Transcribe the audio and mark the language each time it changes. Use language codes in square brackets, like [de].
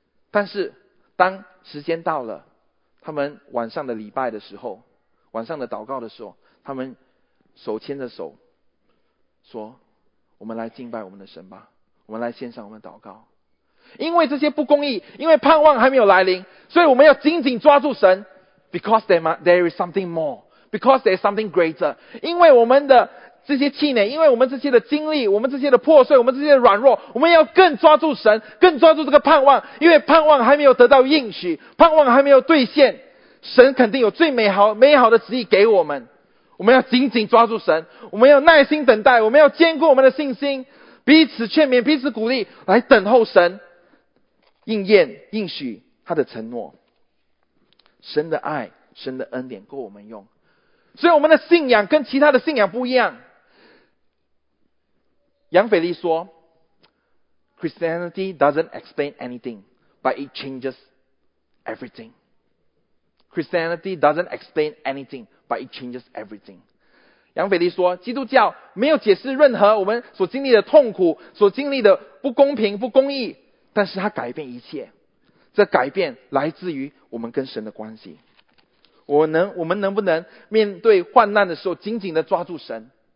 [zh] 但是当时间到了，他们晚上的礼拜的时候，晚上的祷告的时候，他们手牵着手说，我们来敬拜我们的神吧，我们来献上我们的祷告。因为这些不公义，因为盼望还没有来临，所以我们要紧紧抓住神。 [en] Because there is something more, because there is something greater. [zh] 因为我们的这些气馁，因为我们这些的经历，我们这些的破碎，我们这些的软弱，我们要更抓住神，更抓住这个盼望。因为盼望还没有得到应许，盼望还没有兑现，神肯定有最美好的旨意给我们。我们要紧紧抓住神，我们要耐心等待，我们要坚固我们的信心，彼此劝勉，彼此鼓励，来等候神应验应许他的承诺。神的爱，神的恩典够我们用。所以我们的信仰跟其他的信仰不一样。杨斐利说， [en] Christianity doesn't explain anything, but it changes everything. Christianity doesn't explain anything, but it changes everything. [zh] 杨斐利说，基督教没有解释任何我们所经历的痛苦，所经历的不公平不公义，但是它改变一切。这改变来自于我们跟神的关系。我们能不能面对患难的时候紧紧地抓住神？